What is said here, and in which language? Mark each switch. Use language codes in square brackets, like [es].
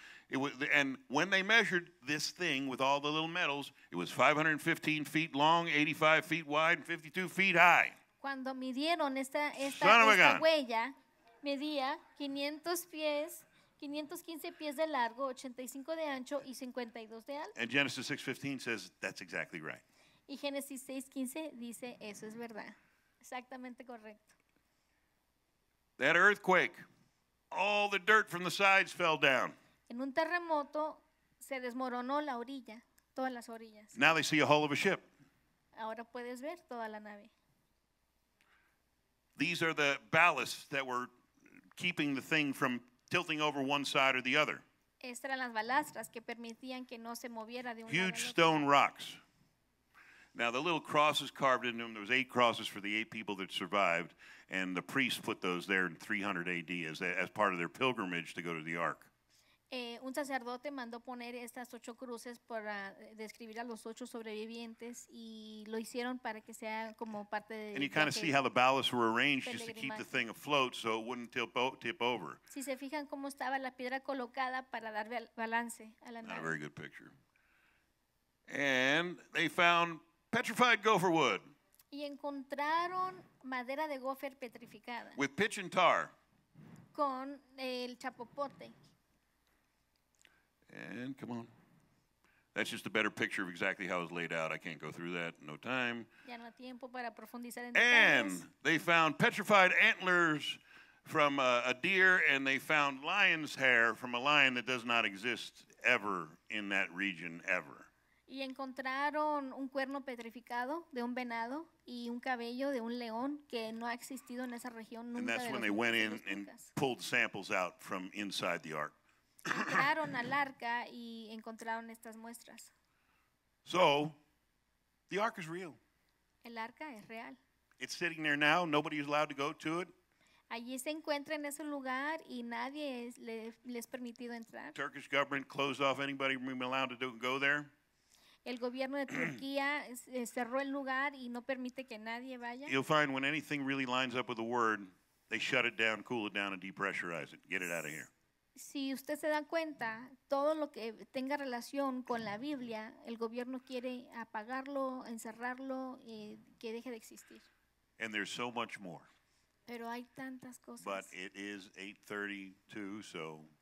[en] It was, and when they measured this thing with all the little metals, it was 515 feet long, 85 feet wide, and 52 feet high. [es] Cuando midieron esta huella, medía 500 pies, 515 pies de largo, 85 de ancho, y 52 de alto. [en] And Genesis 6:15 says that's exactly right. [es] Y Génesis 6:15 dice eso es verdad, exactamente correcto. [en] That earthquake, all the dirt from the sides fell down. [es] En un terremoto se desmoronó la orilla, todas las orillas. [en] Now they see a hull of a ship. [es] Ahora puedes ver toda la nave. [en] These are the ballasts that were keeping the thing from tilting over one side or the other. [es] Estas eran las balastras que permitían que no se moviera de un lado. [en] Huge stone rocks. Now the little crosses carved into them, there was 8 crosses for the 8 people that survived, and the priests put those there in 300 AD as part of their pilgrimage to go to the ark. [es] Un sacerdote mandó poner estas 8 cruces para describir a los 8 sobrevivientes y lo hicieron para que sea como parte de. [en] And you kind of see how the ballasts were arranged just to keep the thing afloat so it wouldn't tip over. [es] Si se fijan cómo estaba la piedra colocada para dar balance a la nave. [en] Not a very good picture. And they found petrified gopher wood. [es] Y encontraron madera de gopher petrificada. [en] With pitch and tar. [es] Con el chapopote. [en] And come on. That's just a better picture of exactly how it was laid out. I can't go through that. No time. [es] Ya no tiempo para profundizar en and detalles. [en] They found petrified antlers from a deer, and they found lion's hair from a lion that does not exist ever in that region, ever. [es] Y encontraron un cuerno petrificado de un venado y un cabello de un león que no ha existido en esa región nunca. [en] And that's when they went in and pulled samples out from inside the ark. [es] Entraron al arca y encontraron estas muestras. [en] So, the ark is real. [es] El arca es real. [en] It's sitting there now. Nobody is allowed to go to it. [es] Allí se encuentra en ese lugar y nadie les permitido entrar. [en] Turkish government closed off anybody from being allowed to go there. [es] El gobierno de Turquía cerró el lugar y no permite que nadie vaya. [en] You'll find when anything really lines up with the word, they shut it down, cool it down, and depressurize it. Get it out of here. [es] Si usted se da cuenta, todo lo que tenga relación con la Biblia, el gobierno quiere apagarlo, encerrarlo, y que deje de existir. [en] And there's so much more. [es] Pero hay tantas cosas. [en] But it is 8:32, so.